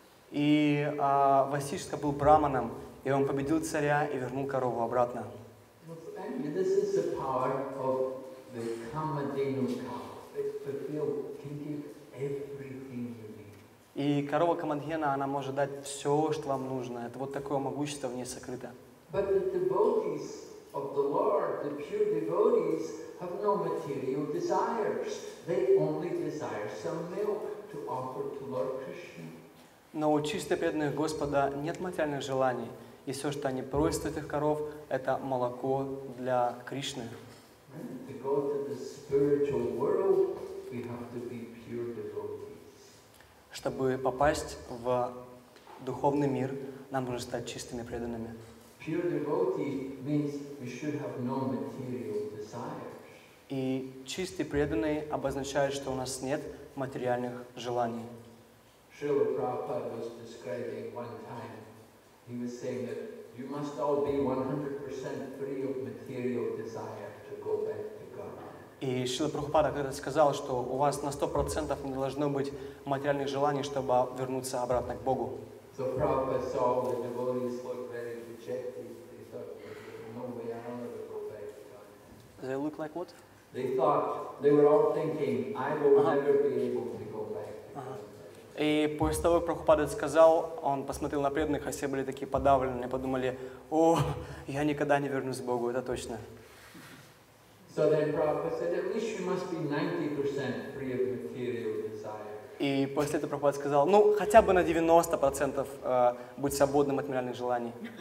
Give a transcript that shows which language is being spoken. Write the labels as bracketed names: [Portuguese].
[Russian] И Васишка был брахманом, и он победил царя и вернул корову обратно. [English] This is the power of the Kamadhenu cow. It can give everything you need. [Russian] И корова Kamadhenu, она может дать все, что вам нужно. Это вот такое могущество в ней сокрыто. [English] But the devotees of the Lord, the pure devotees, have no material desires. They only desire some milk to offer to Lord Krishna. [Russian] Но у чисто преданных Господа нет материальных желаний, и все, что они просят у этих коров, это молоко для Кришны. [English] To go to the spiritual world, we have to be pure devotees. [Russian] Чтобы попасть в духовный мир, нам нужно стать чистыми преданными. [English] Pure devotee means we should have no material desires. [Russian] И чистый преданный обозначает, что у нас нет материальных желаний. [English] Srila Prabhupada was describing one time, he was saying that you must all be 100% free of material desire to go back to God. [Russian] И Шрила Прабхупада когда сказал, что у вас на 100% не должно быть материальных желаний, чтобы вернуться обратно к Богу. [English] So Prabhupada saw all the devotees look very dejected. They thought, no way, I don't want to go back to God. They look like what? They thought, they were all thinking, I will never be able to go back to God. [Russian] И после того, как Прабхупада сказал, он посмотрел на преданных, а все были такие подавленные, подумали, о, я никогда не вернусь к Богу, это точно. [English] So then Prabhupada said, at least you must be 90% free of material desire. [Russian] И после этого Прабхупада сказал, ну, хотя бы на 90% будь свободным от материальных желаний.